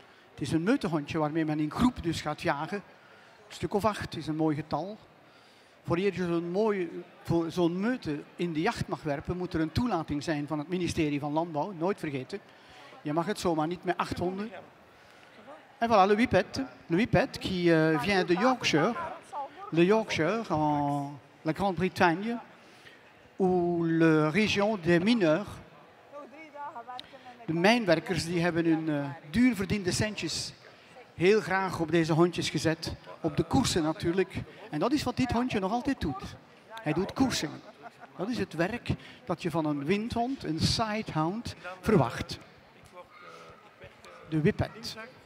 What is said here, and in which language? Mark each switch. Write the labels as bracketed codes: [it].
[nl] Het is een meutehondje waarmee men in groep dus gaat jagen. Een stuk of 8 is een mooi getal. Voor eer je zo'n meute in de jacht mag werpen, moet er een toelating zijn van het ministerie van Landbouw. Nooit vergeten. Je mag het zomaar niet met 8 honden. [fr] En voilà, le Whippet, qui vient de Yorkshire. Le Yorkshire, en la Grande-Bretagne. Ou la région des mineurs. [nl] De mijnwerkers die hebben hun duur verdiende centjes heel graag op deze hondjes gezet. Op de koersen natuurlijk. En dat is wat dit hondje nog altijd doet. Hij doet koersen. Dat is het werk dat je van een windhond, een sidehound, verwacht. De whippet.